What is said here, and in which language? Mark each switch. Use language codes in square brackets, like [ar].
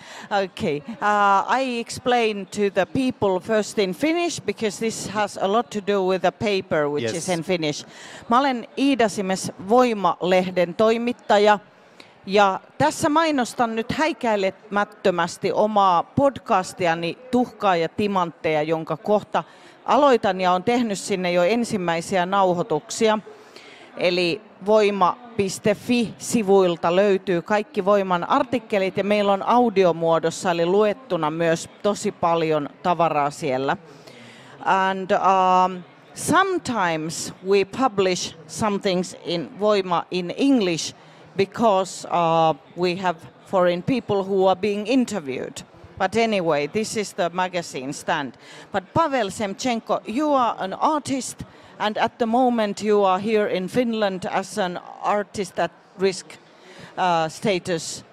[en] Okay, I explain to the people first in Finnish, because this has a lot to do with the paper, which yes. is in Finnish. [fi] Mä olen Iida Simes, Voima-lehden toimittaja. Ja tässä mainostan nyt häikäilemättömästi omaa podcastiani Tuhkaa ja timantteja, jonka kohta aloitan ja olen tehnyt sinne jo ensimmäisiä nauhoituksia. Eli voima.fi-sivuilta löytyy kaikki Voiman artikkelit ja meillä on audiomuodossa eli luettuna myös tosi paljon tavaraa siellä. [en] And sometimes we publish some things in Voima in English, because we have foreign people who are being interviewed. But anyway, this is the magazine stand. But Pavel Semchenko, you are an artist, and at the moment you are here in Finland as an artist at risk status.